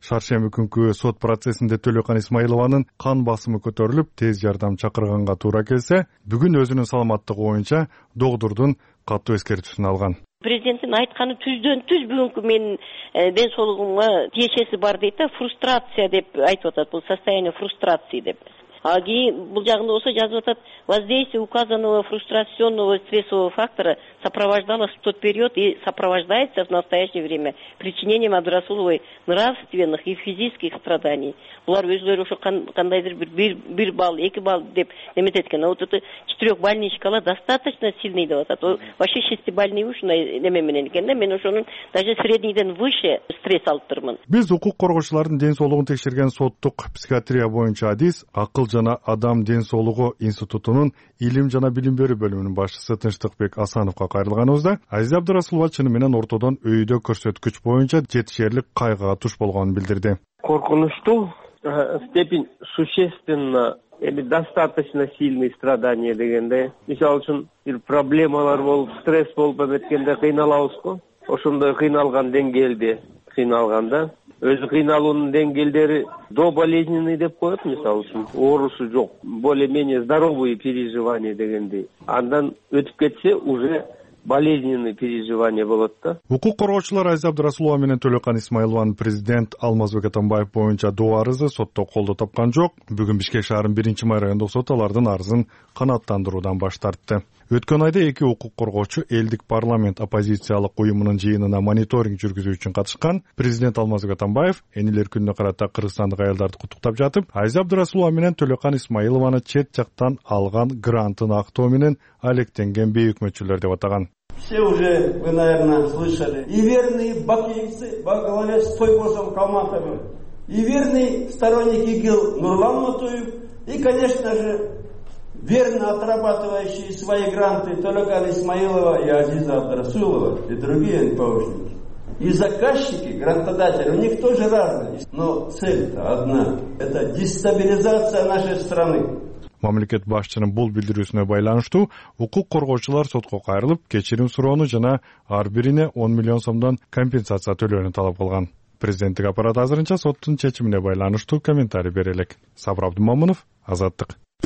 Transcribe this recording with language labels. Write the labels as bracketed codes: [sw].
[ky] Шаршемби күнкү сот процессинде Төлөйкан Исмаилованын кан басымы көтөрүлүп, тез жардам чакырганга туура келсе, бүгүн өзүнүн саламаттыгы боюнча доктурдун катуу эскертүүсүн алган. Президенттин айтканы түздөн түз бүгүнкү менин ден соолугума тиешеси бар дейт да, фрустрация деп айтып атат, бул [ru] состояние фрустрации [ky] деп. А кийин бул жагында болсо жазып атат: [ru] воздействие указанного фрустрационного стрессового фактора сопровождалось в тот период и сопровождается в настоящее время причинением Абдрасуловой нравственных и физических страданий. [ky] Булар өзүлөрү ошо кандайдыр бир балл, эки балл деп эметет экен. [ru] Вот это четырехбальничкала достаточно сильный [ky] деп атат. Вообще шестибальный ушундай неме менен экен да, мен ошонун [ru] даже средний выше стресс [ky] алыптырмын. Биз укук коргоочулардын ден соолугун текшерген соттук психиатрия боюнча адис акыл жана адам ден соолугу институтунун илим жана билим берүү бөлүмүнүн башчысы Тынчтыкбек Асановго кайрылганыбызда Азиз Абдрасулова чыны менен ортодон өйдө көрсөткүч боюнча жетишерлик кайгыга туш болгонун билдирди. Коркунучтуу [ru] степень существенно или достаточно сильные страдания [ky] дегенде, мисалы үчүн бир проблемалар болуп, стресс болуп эметкенде кыйналабызго, ошондой кыйналган деңгээлде кыйналганда өзү кыйналуунун деңгээлдери [ru] до болезненный [ky] деп коет, мисалы үчүн оорусу жок, [ru] более менее здоровые переживания [ky] дегендей, андан өтүп кетсе уже [ru] болезненный переживание [ky] болот да. Укук коргоочулар Айзап Расулова менен Төлөкан Исмаилованын президент Алмазбек Атамбаев боюнча доо арызы сотто колдоо тапкан жок. Бүгүн Бишкек шаарынын 1-май райондук соту алардын арызын канааттандыруудан баш тартты. Өткөн айда эки укук коргоочу элдик парламент оппозициялык уюмунун жыйынына мониторинг жүргүзүү үчүн катышкан. Президент Алмазбек Атамбаев энилер күнүнө карата кыргызстандык аялдарды куттуктап жатып, Айзап Расулова менен Төлөкан Исмаилованы чет жактан алган грантын актоо менен алектенген бейүкмөтчүлөр деп атаган. [ru] Все уже, вы, наверное, слышали. И верные бакиевцы во главе с Тойбосом Калматовым, и верные сторонники ИГИЛ Нурлан Матуев, и, конечно же, верно отрабатывающие свои гранты Толяка Исмаилова и Азиза Абдрасулова и другие НПОшники. И заказчики, грантодатели, у них тоже разные. Но цель-то одна – это дестабилизация нашей страны. [ky] Мамлекет башчынын бул билдирүүсүнө байланыштуу укук коргоочулар сотко кайрылып, кечирим суроону жана ар бирине 10 миллион сомдон компенсация төлөөнү талап кылган. Президенттик аппарат азырынча соттун чечимине байланыштуу комментарий бере элек. Сабыр Абдымамынов, Азаттык.